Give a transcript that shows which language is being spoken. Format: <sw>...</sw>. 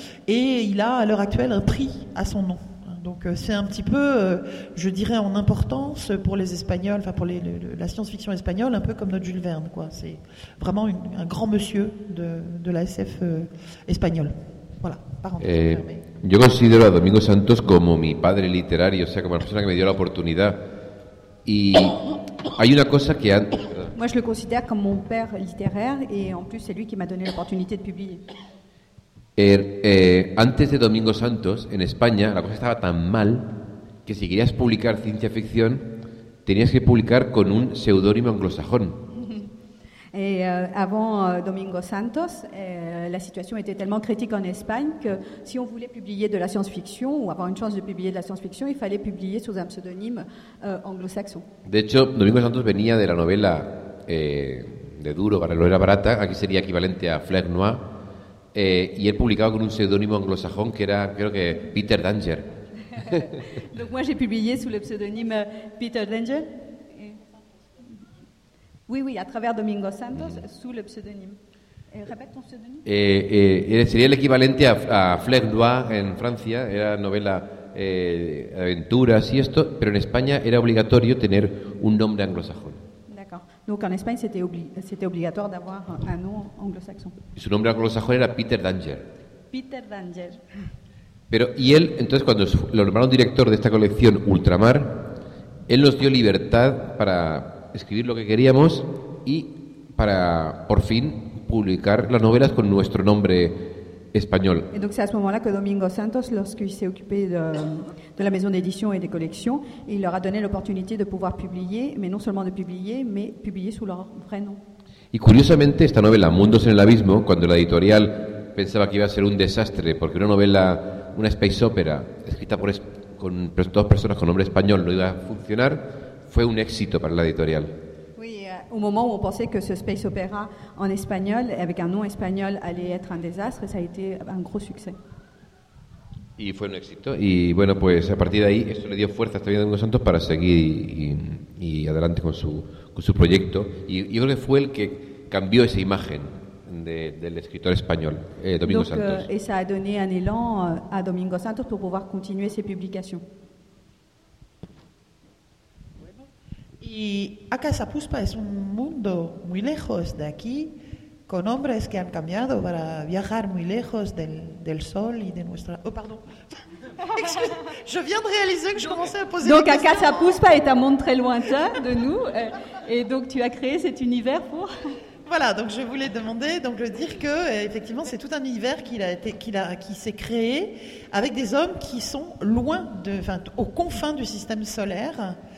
<fr>Et il a à l'heure actuelle un prix à son nom. Donc c'est un petit peu, je dirais, en importance pour les Espagnols, enfin pour la science-fiction espagnole, un peu comme notre Jules Verne, quoi. C'est vraiment un grand monsieur de la SF espagnole. Voilà, parenthèse fermée.</fr> <es>Yo considero a Domingo Santos como mi padre literario, o sea, como la persona que me dio la oportunidad. Y hay una cosa que antes...</es> <fr>Moi, je le considère comme mon père littéraire, et en plus, c'est lui qui m'a donné l'opportunité de publier.</fr> <es>Antes de Domingo Santos, en España, la cosa estaba tan mal que si querías publicar ciencia ficción, tenías que publicar con un seudónimo anglosajón.</es> <fr>Avant Domingo Santos, la situation était tellement critique en Espagne que si on voulait publier de la science-fiction ou avoir une chance de publier de la science-fiction, il fallait publier sous un pseudonyme anglo-saxon.</fr> <es>De hecho, Domingo Santos venía de la novela de Duro, la novela barata, aquí sería equivalente a Flair Noir. Y él publicaba con un seudónimo anglosajón que era, creo que, Peter Danger.</es> <fr>Donc moi j'ai publié sous le pseudonyme Peter Danger. Oui, oui, à travers Domingo Santos, sous le pseudonyme. Répète ton pseudonyme.</fr> <es>Sería el equivalente a Flair Noir en Francia, era novela aventuras y esto, pero en España era obligatorio tener un nombre anglosajón.</es> <fr>Donc en Espagne, c'était obligatoire d'avoir un nom anglo-saxon.</fr> <es>Su nombre anglo-saxon era Peter Danger. Peter Danger. Pero y él, entonces cuando lo nombraron director de esta colección Ultramar, él nos dio libertad para escribir lo que queríamos y para por fin publicar las novelas con nuestro nombre</es> <fr>espagnol. Et donc c'est à ce moment-là que Domingo Santos, lorsqu'il s'est occupé de la maison d'édition et des collections, il leur a donné l'opportunité de pouvoir publier, mais non seulement de publier, mais publier sous leur vrai nom.</fr> <es>Y curiosamente, esta novela, Mundos en el Abismo, cuando la editorial pensaba que iba a ser un desastre, porque una novela, una space opera, escrita por con dos personas con nombre español, no iba a funcionar, fue un éxito para la editorial.</es> <fr>Oui, au moment où on pensait que ce space opera en espagnol, avec un nom espagnol, allait être un désastre, ça a été un gros succès.</fr> <es>Y fue un éxito, y bueno, pues a partir de ahí, eso le dio fuerza a este Domingo Santos para seguir y adelante con su... con su proyecto, y yo creo que fue el que cambió esa imagen del escritor español, Domingo</es> <fr>Donc,</fr> <es>Santos. Y eso ha dado un élan a Domingo Santos para poder continuar sus publicaciones. Bueno, y Acasapuspa es un mundo muy lejos de aquí, con hombres que han cambiado para viajar muy lejos del sol y de nuestra... Oh, perdón.</es> <fr>Je viens de réaliser que je commençais à poser. Donc Acasapuspa est un monde très lointain de nous, et donc tu as créé cet univers pour. Voilà, donc je voulais demander, donc le dire que effectivement c'est tout un univers qui s'est créé avec des hommes qui sont loin de, enfin, aux confins du système solaire.</fr>